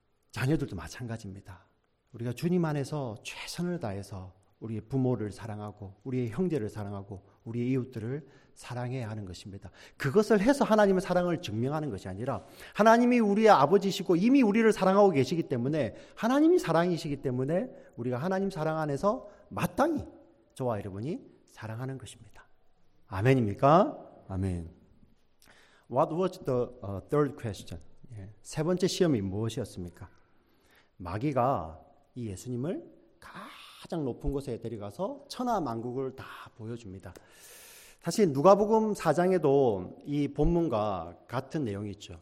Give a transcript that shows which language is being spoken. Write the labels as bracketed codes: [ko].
[ko] 자녀들도 마찬가지입니다. 우리가 주님 안에서 최선을 다해서 우리의 부모를 사랑하고 우리의 형제를 사랑하고 우리의 이웃들을 사랑해야 하는 것입니다. 그것을 해서 하나님의 사랑을 증명하는 것이 아니라 하나님이 우리의 아버지시고 이미 우리를 사랑하고 계시기 때문에, 하나님이 사랑이시기 때문에 우리가 하나님 사랑 안에서 마땅히 저와 여러분이 사랑하는 것입니다. 아멘입니까? 아멘. [en] What was the third question? [ko] 세 번째 시험이 무엇이었습니까? 마귀가 이 예수님을 가장 높은 곳에 데려가서 천하 만국을 다 보여줍니다. 사실 누가복음 4장에도 이 본문과 같은 내용이 있죠.